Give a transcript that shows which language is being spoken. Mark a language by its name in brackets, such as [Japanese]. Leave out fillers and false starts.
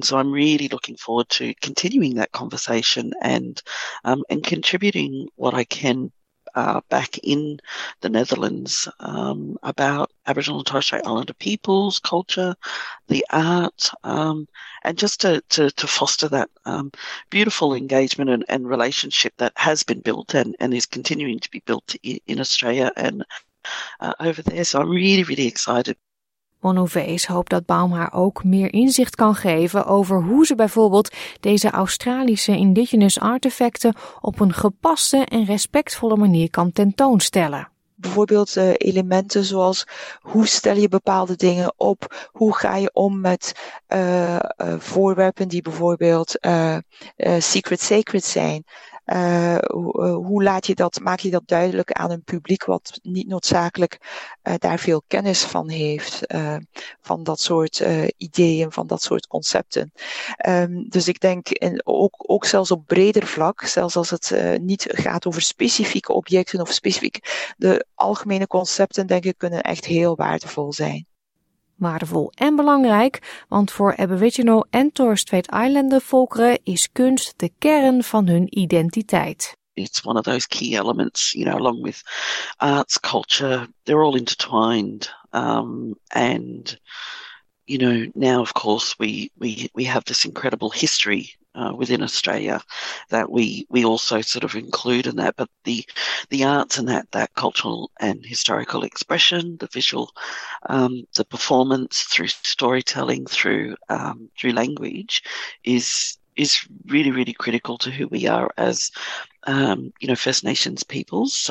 [English] So I'm really looking forward to continuing that conversation and contributing what I can back in the Netherlands about Aboriginal and Torres Strait Islander peoples, culture, the art, and just to foster that beautiful engagement and relationship that has been built and is continuing to be built in Australia and over there. So I'm really, really excited. [Dutch] Monovees hoopt dat Baum haar ook meer inzicht kan geven over hoe ze bijvoorbeeld deze Australische indigenous artefacten op een gepaste en respectvolle manier kan tentoonstellen. Bijvoorbeeld elementen zoals hoe stel je bepaalde dingen op, hoe ga je om met voorwerpen die bijvoorbeeld secret sacred zijn. Hoe laat je dat, maak je dat duidelijk aan een publiek wat niet noodzakelijk daar veel kennis van heeft, van dat soort ideeën, van dat soort concepten. Dus ik denk ook zelfs op breder vlak, zelfs als het niet gaat over specifieke objecten of specifiek de algemene concepten, denk ik, kunnen echt heel waardevol zijn. Waardevol en belangrijk, want voor Aboriginal en Torres Strait Islander volkeren is kunst de kern van hun identiteit. [English] It's one of those key elements, you know, along with arts, culture, they're all intertwined. And you know, now of course we have this incredible history within Australia that we also sort of include in that, but the arts and that cultural and historical expression, the visual, the performance through storytelling, through language is really, really critical to who we are as, you know, First Nations peoples.